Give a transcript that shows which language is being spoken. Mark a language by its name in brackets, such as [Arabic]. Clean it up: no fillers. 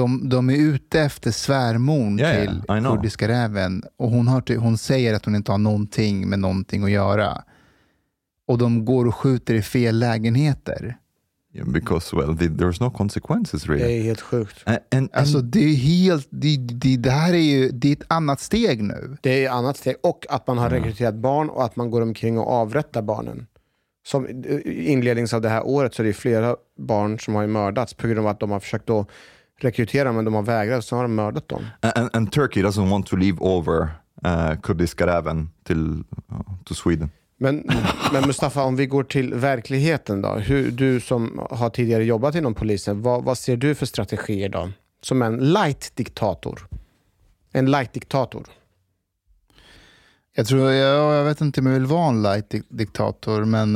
[Swedish] De är ute efter svärmor till kurdiska räven. Och hon säger att hon inte har någonting med någonting att göra. Och de går och skjuter i fel lägenheter. [English] Because well, there's no consequences really. [Swedish] Det är helt sjukt. Alltså det här är ett annat steg nu. Det är ett annat steg, och att man har rekryterat barn och att man går omkring och avrättar barnen. Som inledning av det här året så är det flera barn som har mördats på grund av att de har försökt att rekrytera, men de har vägrat, så har de mördat dem. [English] And Turkey doesn't want to leave over kurdiska räven to Sweden. [Swedish] Men Mustafa, om vi går till verkligheten då. Du som har tidigare jobbat inom polisen, vad ser du för strategier då? Som en light-diktator. En light-diktator. Jag vet inte om jag vill vara en light-diktator, men...